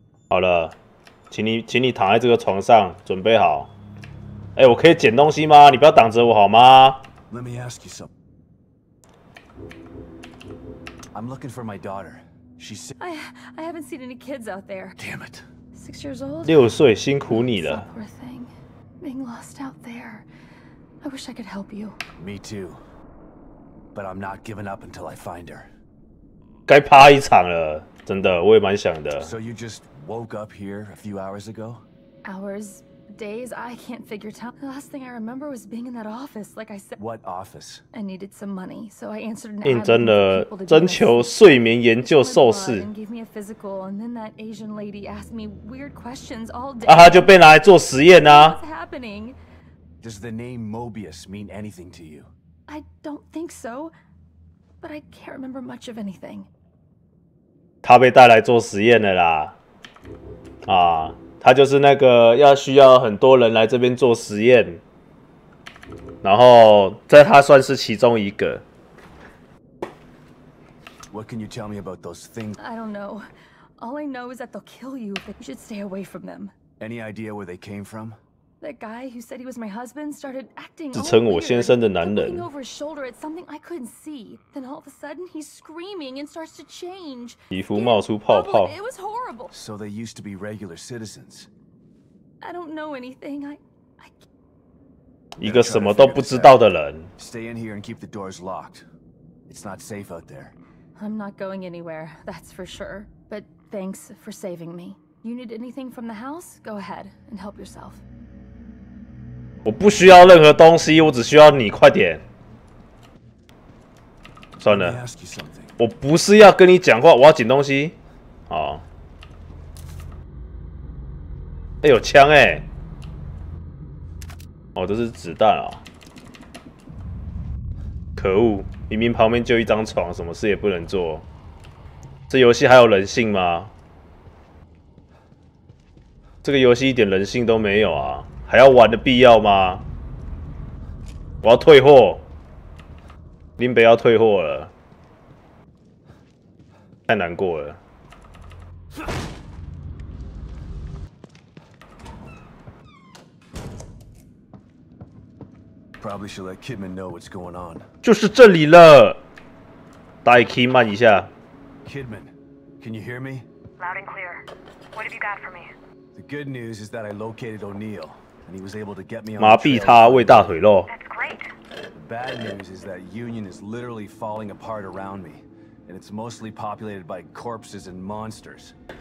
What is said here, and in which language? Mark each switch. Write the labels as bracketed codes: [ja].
[zh] 好了，请你躺在这个床上，准备好。哎，我可以捡东西吗？你不要挡着我好吗 [en] ？Let me ask you something. I'm looking for my daughter. She's. I haven't seen any kids out there. Damn it. 6 years old. [zh] 六岁，辛苦你了。 [en] Poor thing, being lost out there. I wish I could help you. Me too. But I'm not giving up until I find her. [zh] 该趴一场了，真的，我也蛮想的。 [en] So you just woke up here a few hours ago? Hours, days, I can't figure time. The last thing I remember was being in that office, like I said. What office? I needed some money, so I answered. [zh] 应征了征求睡眠研究硕士。 [en] And gave me a physical, and then that Asian lady asked me weird questions all day. [zh] 啊，他就被拿来做实验啊。 [en] What's happening? Does the name Mobius mean anything to you? I don't think so, but I can't remember much of anything. [zh] 他被带来做实验了啦，啊。他就是那个要需要很多人来这边做实验，然后在他算是其中一个。 [en] What can you tell me about those things? I don't know. All I know is that they'll kill you. But you should stay away from them. Any idea where they came from? That guy who said he was my husband started acting. [zh] 自称我先生的男人。 [en] Looking over his shoulder at something I couldn't see. Then all of a sudden he's screaming and starts to change. [zh] 皮肤冒出泡泡。 [en] It was horrible. So they used to be regular citizens. I don't know anything. I [zh] 一个什么都不知道的人。 [en] Stay in here and keep the doors locked. It's not safe out there. I'm not going anywhere. That's for sure. But thanks for saving me. You need anything from the house? Go ahead and help yourself. [zh] 我不需要任何东西，我只需要你，快点。算了，我不是要跟你讲话，我要捡东西。好。哎，有枪哎！哦，这是子弹啊！可恶，明明旁边就一张床，什么事也不能做。这游戏还有人性吗？这个游戏一点人性都没有啊！还要玩的必要吗？我要退货，林北要退货了，太难过了。 [en] Probably should let Kidman know what's going on. [zh] 就是这里了，带 Kidman 一下。 [en] Kidman, can you hear me? Loud and clear. What have you got for me? The good news is that I located O'Neill. And he was able to get me on. [zh] 麻痹他，喂大腿肉。 [en] That's great. The bad news is that Union is literally falling apart around me, and it's mostly populated by corpses and monsters.